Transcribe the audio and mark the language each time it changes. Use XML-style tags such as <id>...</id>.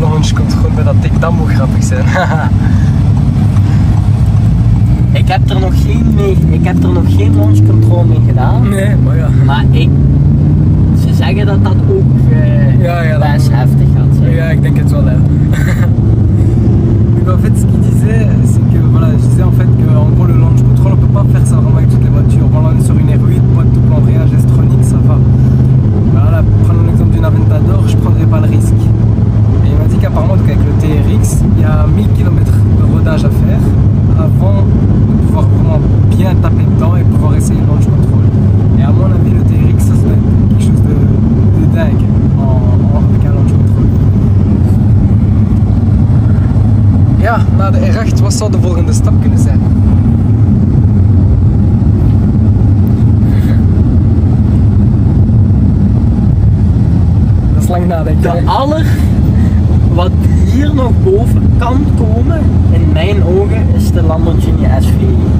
<nl>Launch control met dat ding, dat moet grappig zijn. Ik heb er nog geen mee, ik heb er nog geen launch control mee gedaan. Nee, maar ja. Maar ik, ze zeggen dat dat ook ja, ja, best dat heftig gaat zijn. Ja, ik denk het wel, hè.</nl> <fr>Donc, en fait, ce qu'il disait, c'est que voilà, je disais en fait que en gros le launch control on peut pas faire ça vraiment avec toutes les voitures. Bon, là, on est sur une R8, boîte tout plan, rien, geste chronique, ça va. Voilà, prenons l'exemple d'une Aventador, je prendrais pas le risque. Et il m'a dit qu'apparemment donc, avec le TRX, il y a 1000 km de rodage à faire avant de pouvoir vraiment bien taper dedans et pouvoir essayer le launch control. Et à mon avis, le TRX, ça serait quelque chose de dingue avec un launch control.</fr> <nl>Ja, na de R8, wat zou de volgende stap kunnen zijn? Dat is lang nadenken. De aller, wat hier nog boven kan komen, in mijn ogen, is de Lamborghini SVI.</nl>